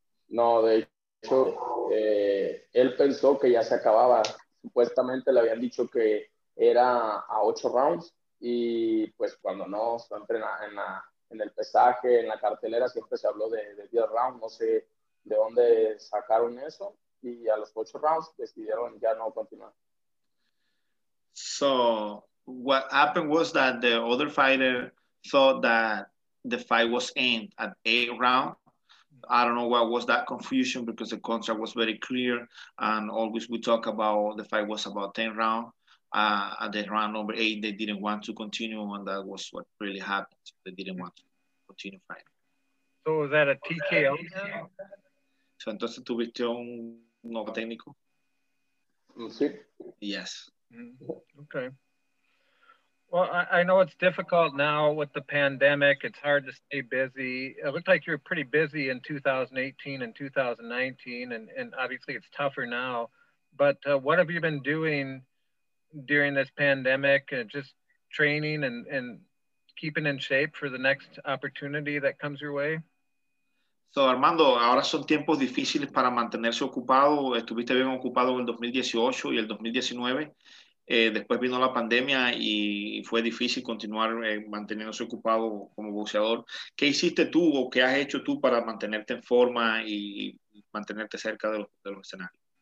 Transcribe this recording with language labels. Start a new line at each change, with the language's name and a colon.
Spanish: No, de hecho, él pensó que ya se acababa. Supuestamente le habían dicho que era a 8 rounds. Y pues cuando no, en la en el pesaje, en la cartelera, siempre se habló de 10 rounds. No sé de dónde sacaron eso. Y a los 8 rounds decidieron ya no continuar.
English: So, what happened was that the other fighter thought that the fight was aimed at 8 rounds. I don't know what was that confusion, because the contract was very clear, and always we talk about the fight was about 10 rounds. At the round number 8, they didn't want to continue, and that was what really happened. They didn't want to continue fighting. So was that a TKO?
Spanish: So entonces tuviste un nuevo técnico? Sí.
English: Yes. Okay. Well, I know it's difficult now with the pandemic. It's hard to stay busy. It looked like you were pretty busy in 2018 and 2019, and obviously it's tougher now. But what have you been doing during this pandemic? Just training and keeping in shape for the next opportunity that comes your way?
Spanish: So, Armando, ahora son tiempos difíciles para mantenerse ocupado. Estuviste bien ocupado en el 2018 y el 2019. Después vino la pandemia y fue difícil continuar manteniéndose ocupado como boxeador. ¿Qué hiciste tú o qué has hecho tú para mantenerte en forma y mantenerte cerca de los escenarios?